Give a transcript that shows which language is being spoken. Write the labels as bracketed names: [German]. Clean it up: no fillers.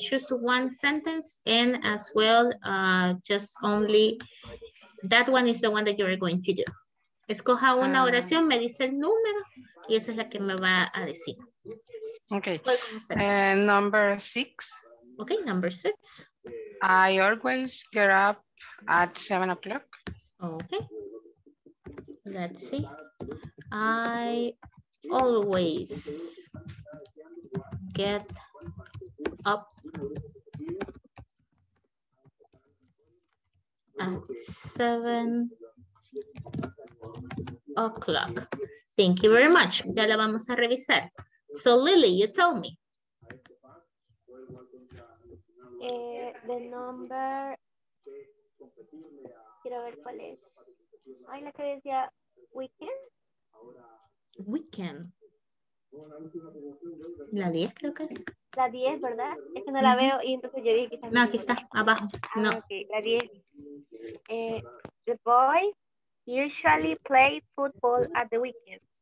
[English] Choose one sentence and as well, just only that one is the one that you are going to do. [Spanish] Escoja una oración, me dice el número y esa es la que me va a decir. [English] Okay. Number 6. Okay, number 6. I always get up at 7 o'clock. Okay. Let's see. I always get up at 7 o'clock. Thank you very much. [Spanish] Ya la vamos a revisar. [English] So, Lily, you tell me. The number. [Spanish] Quiero ver cuál es. Ay, la que decía weekend. [English] Weekend. [Spanish] La 10, creo que es. La 10, ¿verdad? Es que no la veo y entonces yo dije que está. No, aquí está, abajo. No. Okay, la 10. [English] The boy usually play football at the weekend.